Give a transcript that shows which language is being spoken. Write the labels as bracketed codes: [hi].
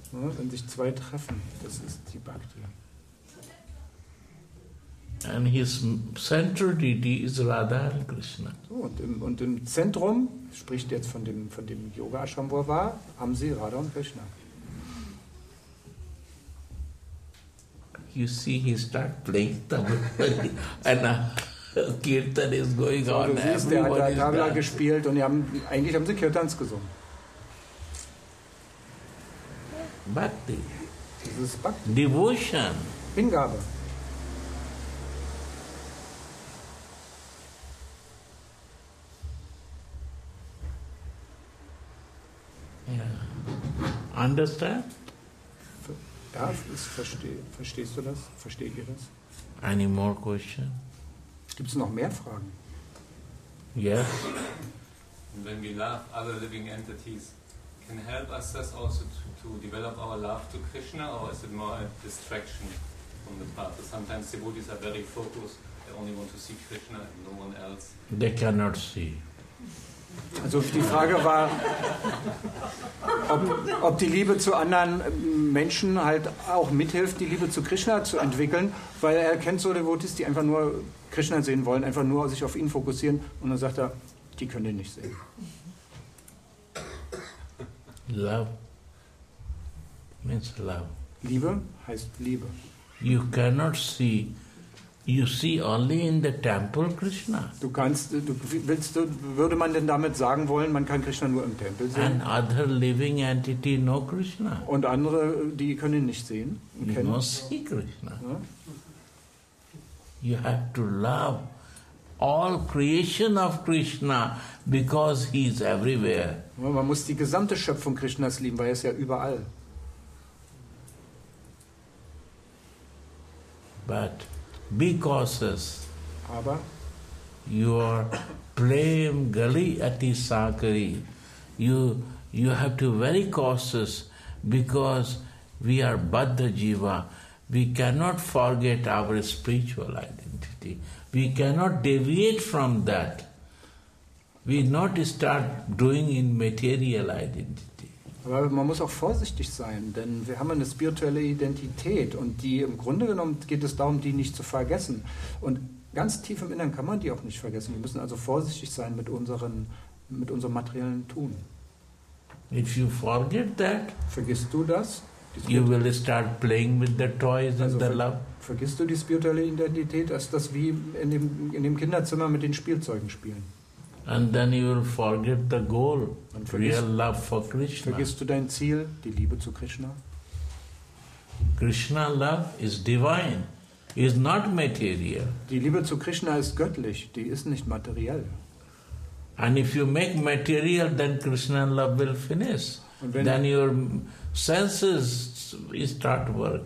[de] Wenn sich zwei treffen, das ist die Bhakti. [en] And his central deity is Radha and Krishna. [de] Und im Zentrum, spricht jetzt von dem Yoga Ashram, wo er war, haben sie Radha und Krishna. [en] You see, he start playing tabla, and Kirtan is going on. [de] Du siehst, der hat Tabla gespielt und eigentlich haben sie Kirtans gesungen. [sa] Bhakti. [de] Das ist Bhakti. [en] Devotion. [de] Hingabe. [en] Yeah. Understand? [de] Verstehst du das? Versteht ihr das? [en] Any more question? [de] Gibt es noch mehr Fragen? [en] Yes. And when we love other living entities, can help us thus also to develop our love to Krishna, or is it more a distraction from the path? Sometimes devotees are very focused, they only want to see Krishna and no one else. They cannot see. [de] Also die Frage war, ob die Liebe zu anderen Menschen halt auch mithilft, die Liebe zu Krishna zu entwickeln, weil er kennt so Devotees, die einfach nur Krishna sehen wollen, einfach nur sich auf ihn fokussieren, und dann sagt er, die können ihn nicht sehen. [en] Love means love. [de] Liebe heißt Liebe. [en] You cannot see. You see only in the temple Krishna. [de] Würde man denn damit sagen wollen, man kann Krishna nur im Tempel sehen? [en] And other living entity know Krishna. [de] Und andere, die können ihn nicht sehen. [en] You must see Krishna. You have to love all creation of Krishna because he is everywhere. [de] Man muss die gesamte Schöpfung Krishnas lieben, weil er ist ja überall. [en] But be cautious. [de] Aber your blame gali ati sakari. [en] You have to be very cautious because we are baddha jiva. We cannot forget our spiritual identity. We cannot deviate from that. We not start doing in material identity. [de] Aber man muss auch vorsichtig sein, denn wir haben eine spirituelle Identität, und die im Grunde genommen geht es darum, die nicht zu vergessen. Und ganz tief im Inneren kann man die auch nicht vergessen. Wir müssen also vorsichtig sein mit unserem materiellen Tun. [en] If you forget that, [de] vergisst du das, [en] you will start playing with the toys and the love. [de] Vergisst du die spirituelle Identität, ist das wie in dem Kinderzimmer mit den Spielzeugen spielen. [en] And then you will forget the goal, real love for Krishna. [de] Vergisst du dein Ziel, die Liebe zu Krishna? [en] Krishna love is divine, is not material. [de] Die Liebe zu Krishna ist göttlich, die ist nicht materiell. [en] And if you make material, then Krishna love will finish. Then your senses start working.